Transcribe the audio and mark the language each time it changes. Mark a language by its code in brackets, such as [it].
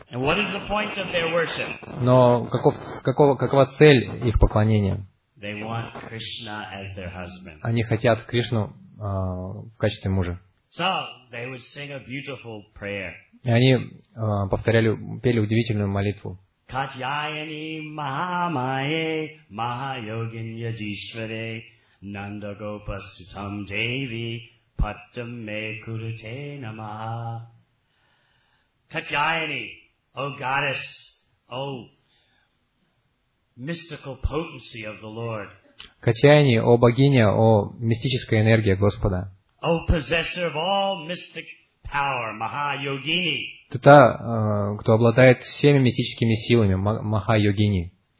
[en] And what is the point of their worship? [ru] Но какова цель их поклонения? [en] They want Krishna as their husband. [ru] Они хотят Кришну в качестве мужа. [en] So they would sing a beautiful prayer. [ru] И они повторяли, пели удивительную молитву. [sa] Katyayani Mahamaye Mahayogin Yadishvare Nanda Gopasutam Devi Patam Me Kurute Namaha. [en] Katyayani, O Goddess, O Mystical Potency of the Lord. [ru] Katyayani, O Boginya, O Mystическая Энергия Господа. [en] O Possessor of all Mystic Power, Mahayogini. [ru] Ты та, кто обладает всеми мистическими силами, Маха-йогини.